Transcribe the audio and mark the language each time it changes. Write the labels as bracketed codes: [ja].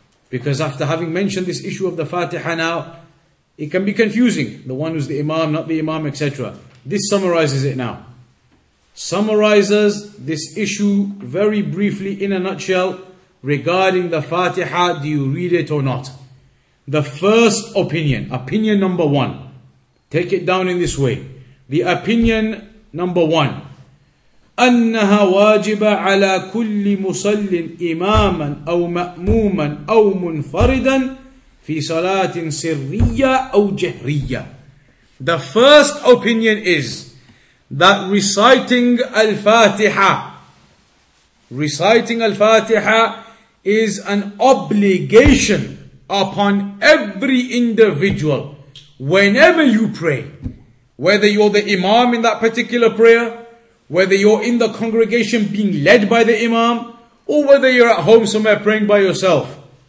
[en] Because after having mentioned this issue of the Fatiha now, it can be confusing, the one who's the imam, not the imam, etc. This summarizes it now. summarizes this issue very briefly in a nutshell regarding the Fatiha, do you read it or not? The first opinion, opinion number one, take it down in this way. The opinion number one, [ar] أنها واجبة على كل مصل إماما أو مأموما أو منفردا في صلاة سرية أو جهرية. [en] The first opinion is that reciting Al-Fatiha is an obligation upon every individual whenever you pray, whether you're the imam in that particular prayer, whether you're in the congregation being led by the imam, or whether you're at home somewhere praying by yourself.